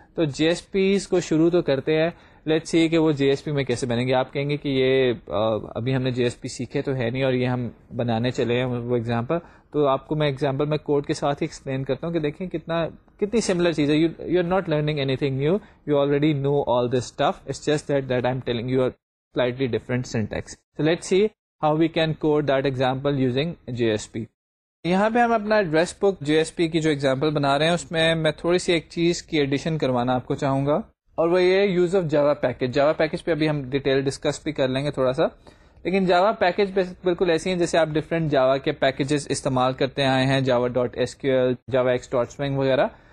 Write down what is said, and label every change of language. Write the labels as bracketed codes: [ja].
[ur] تو جی S Ps کو شروع تو کرتے ہیں, [en] let's see [ur] کہ وہ جی ایس پی میں کیسے بنیں گے. آپ کہیں گے کہ یہ ابھی ہم نے جی ایس پی سیکھے تو ہے نہیں اور یہ ہم بنانے چلے ہیں وہ ایگزامپل. تو آپ کو میں ایگزامپل میں کوڈ کے ساتھ ہی ایکسپلین کرتا ہوں کہ دیکھیں کتنی سملر چیز ہے. [en] You are not learning anything new, you already know all this stuff, it's just that I am telling you slightly different syntax. So let's see how we can code that example using JSP. [ur] یہاں پہ ہم اپنا address book جی S P کی جو example بنا رہے ہیں اس میں میں تھوڑی سی ایک چیز کی ایڈیشن کروانا آپ کو چاہوں گا, اور وہ یہ use of Java package. Java package پہ ابھی ہم ڈیٹیل ڈسکس بھی کر لیں گے تھوڑا سا, لیکن جاوا پیکج بالکل ایسی ہیں جیسے آپ ڈفرینٹ جاوا کے پیکجز استعمال کرتے آئے ہیں, Java dot S Q L, Java X dot spring وغیرہ.